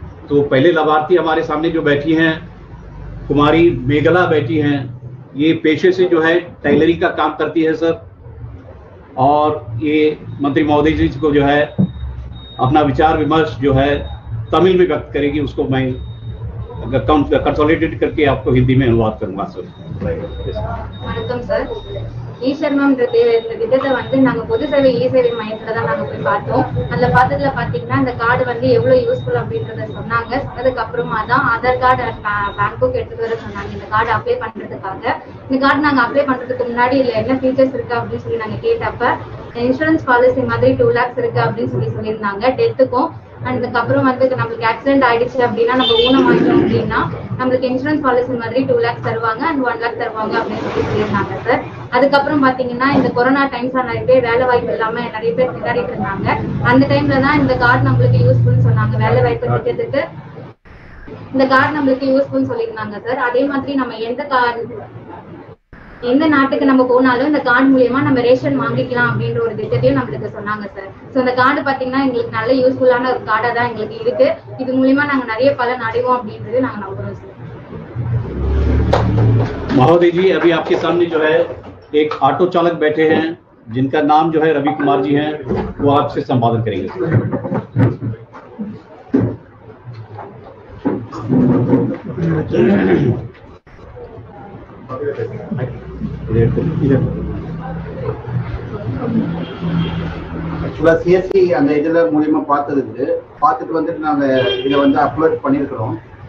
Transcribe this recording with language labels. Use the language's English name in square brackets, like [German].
[Hindi] तो पहले लाभार्थी हमारे सामने जो बैठी हैं, कुमारी मेघला बैठी हैं, ये पेशे से जो है टेलरिंग का काम करती है सर, और ये मंत्री महोदय जी को जो है अपना विचार विमर्श जो है तमिल में व्यक्त करेगी, उसको मैं कंसोलिडेट करके आपको हिंदी में अनुवाद करूंगा sir. [English] Welcome sir. [Tamil] Ishwar ma'am திட்டத்தை வந்து நாங்க பொது சேவை ஈசேவை மையத்துலதான் நாங்க போய் பார்த்தோம். அந்த பார்த்ததுல பாத்தீங்கன்னா அந்த கார்டு வந்து எவ்வளவு யூஸ்ஃபுல் அப்படின்றத சொன்னாங்க. சொன்னதுக்கு அப்புறமா தான் ஆதார் கார்டு பேங்க்கும் எடுத்துட்டு வர சொன்னாங்க. இந்த கார்டு அப்ளை பண்றதுக்காக இந்த கார்டு நாங்க அப்ளை பண்றதுக்கு முன்னாடி இல்ல என்ன ஃபீச்சர்ஸ் இருக்கு அப்படின்னு சொல்லி நாங்க கேட்டப்ப இன்சூரன்ஸ் பாலிசி மாதிரி 2 lakhs இருக்கு அப்படின்னு சொல்லி சொல்லியிருந்தாங்க டெத்துக்கும். அண்ட் இதுக்கப்புறம் வந்து நம்மளுக்கு ஆக்சிடென்ட் ஆயிடுச்சு அப்படின்னா நம்ம ஊனம் ஆயிடும் அப்படின்னா நம்மளுக்கு இன்சூரன்ஸ் பாலிசி மாதிரி 2 lakhs தருவாங்க அண்ட் 1 lakh தருவாங்க அப்படின்னு சொல்லி சொல்லியிருந்தாங்க சார். அதுக்கப்புறம் பாத்தீங்கன்னா இந்த கொரோனா டைம்ஸ் நிறைய பேர் வேலை வாய்ப்பு இல்லாம நிறைய பேர் திண்டாடிட்டு இருந்தாங்க. அந்த டைம்ல தான் இந்த கார்டு நம்மளுக்கு யூஸ்ஃபுல் சொன்னாங்க. வேலை வாய்ப்பு திட்டத்துக்கு இந்த கார்டு நம்மளுக்கு யூஸ்ஃபுல் சொல்லியிருந்தாங்க சார். அதே மாதிரி நம்ம எந்த கார்டு எந்த நாட்டுக்கு நம்ம போனாலும் இந்த கார்டு மூலியமா நம்ம ரேஷன் வாங்கிக்கலாம் அப்படின்ற ஒரு திட்டத்தையும் நம்மளுக்கு சொன்னாங்க சார். சோ இந்த கார்டு பாத்தீங்கன்னா எங்களுக்கு நல்ல யூஸ்ஃபுல்லான ஒரு கார்டா தான் எங்களுக்கு இருக்கு. இது மூலியமா நாங்க நிறைய பலன் அடைவோம் அப்படின்றது நாங்க நம்புறோம் சார். [Hindi] महोदय जी अभी आपके सामने जो है एक ऑटो चालक बैठे हैं जिनका नाम जो है रवि कुमार जी हैं, वो आपसे संबोधन करेंगे।